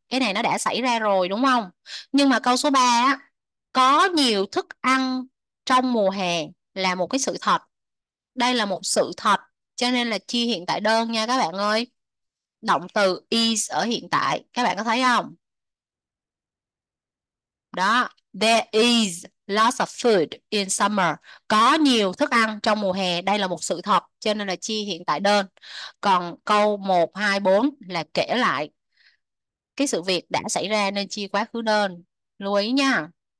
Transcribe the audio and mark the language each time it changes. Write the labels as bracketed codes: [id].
[vi] Cái này nó đã xảy ra rồi, đúng không? Nhưng mà câu số 3 á, có nhiều thức ăn trong mùa hè là một cái sự thật. Đây là một sự thật, cho nên là chia hiện tại đơn nha các bạn ơi. Động từ is ở hiện tại, các bạn có thấy không? [en] Đó, there is lots of food in summer. [vi] Có nhiều thức ăn trong mùa hè, đây là một sự thật, cho nên là chia hiện tại đơn. Còn câu 1, 2, 4 là kể lại cái sự việc đã xảy ra nên chia quá khứ đơn. Lưu ý nha.